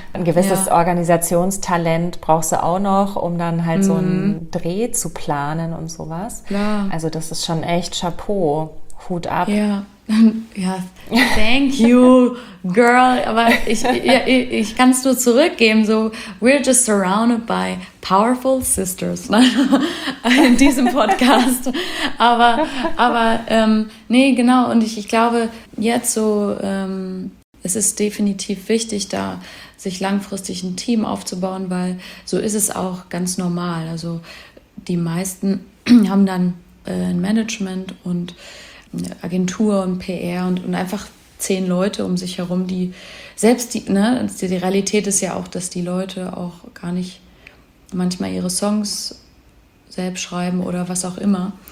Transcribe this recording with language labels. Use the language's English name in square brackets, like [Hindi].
[German] Ein gewisses Organisationstalent brauchst du auch noch, um dann halt so einen Dreh zu planen und sowas. Ja. Also das ist schon echt Chapeau, Hut ab. Ja. Ja, [English] thank you, girl. [German] Aber ich kann es nur zurückgeben. [English] So, we're just surrounded by powerful sisters, ne? [German] In diesem Podcast. Aber, genau. Und ich glaube, jetzt so, es ist definitiv wichtig, da sich langfristig ein Team aufzubauen, weil so ist es auch ganz normal. Also, die meisten haben dann ein Management und Agentur und PR und einfach 10 Leute um sich herum, die selbst die Realität ist ja auch, dass die Leute auch gar nicht manchmal ihre Songs selbst schreiben oder was auch immer.